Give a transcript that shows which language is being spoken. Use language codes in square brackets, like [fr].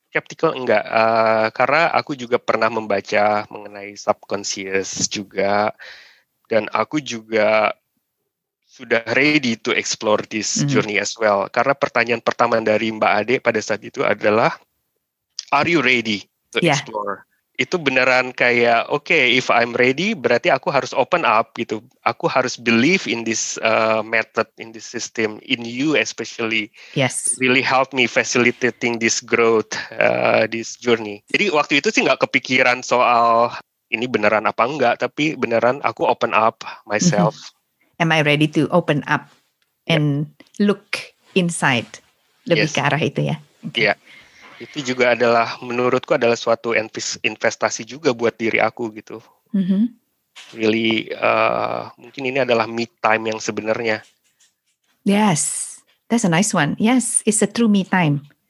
[id] Skeptical enggak, karena aku juga pernah membaca mengenai subconscious juga, dan aku juga sudah [en] ready to explore this journey as well. [id] Karena pertanyaan pertama dari Mbak Ade pada saat itu adalah, [en] are you ready to explore? [id] Itu beneran kayak, okay, [en] if I'm ready, [id] berarti aku harus open up gitu. Aku harus [en] believe in this method, in this system, in you especially. Yes. Really help me facilitating this growth, this journey. [id] Jadi waktu itu sih nggak kepikiran soal ini beneran apa enggak, tapi beneran aku [en] open up myself. Mm-hmm. Am I ready to open up and look inside? [id] Lebih ke arah itu ya? Iya. Yeah. Itu juga adalah, menurutku adalah suatu investasi juga buat diri aku gitu. Really, mungkin ini adalah me time yang sebenarnya. [en] Yes, that's a nice one. Yes, it's a true me time.